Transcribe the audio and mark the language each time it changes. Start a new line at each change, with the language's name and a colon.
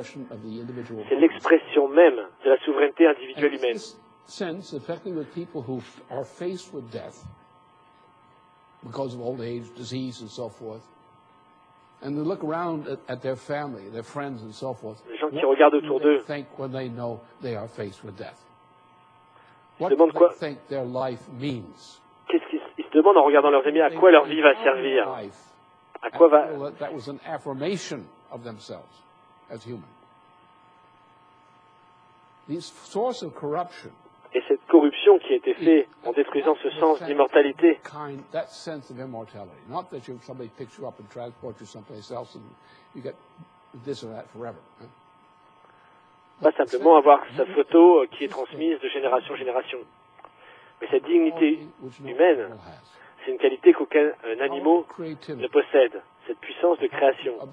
French: C'est l'expression même de la souveraineté individuelle humaine.
English: Because of old age, disease, and so forth, And they look around at their family, their friends, and so forth.
French: Les gens qui regardent autour d'eux.
English: Think when they know they are faced with death. What do they think their life means?
French: Qu'est-ce qu'ils se demandent en regardant leurs amis? À quoi leur vie va servir? À quoi va?
English: That was an affirmation of themselves as human. This source of corruption.
French: Et cette corruption qui a été faite en détruisant ce sens d'immortalité.
English: That sense of immortality. Not that somebody picks you up and transports you someplace else and you get this or that forever.
French: Pas simplement avoir sa photo qui est transmise de génération en génération. Mais cette dignité humaine, c'est une qualité qu'aucun animal ne possède. Cette puissance de création.